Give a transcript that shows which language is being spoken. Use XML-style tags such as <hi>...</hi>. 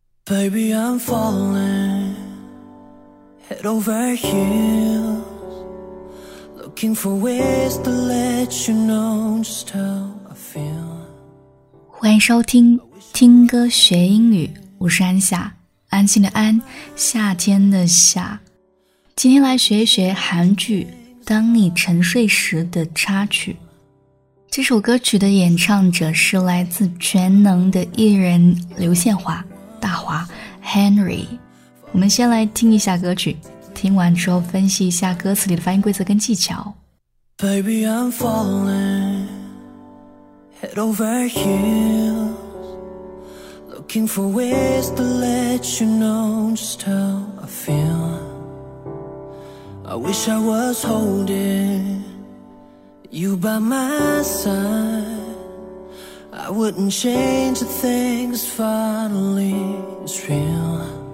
<en>Baby, I'm falling head over heels, looking for ways to let you know just how I feel.</en> <zh>欢迎收听听歌学英语，我是安夏，安心的安，夏天的夏。今天来学一学韩剧《当你沉睡时》的插曲。这首歌曲的演唱者是来自全能的艺人刘宪华，大华 Henry。我们先来听一下歌曲，听完之后分析一下歌词里的发音规则跟技巧。</zh> <en>Baby, I'm falling head over heels, looking for ways to let you know just how I feel. I wish I was holding you by my side, I wouldn't change the things finally it's real.</en>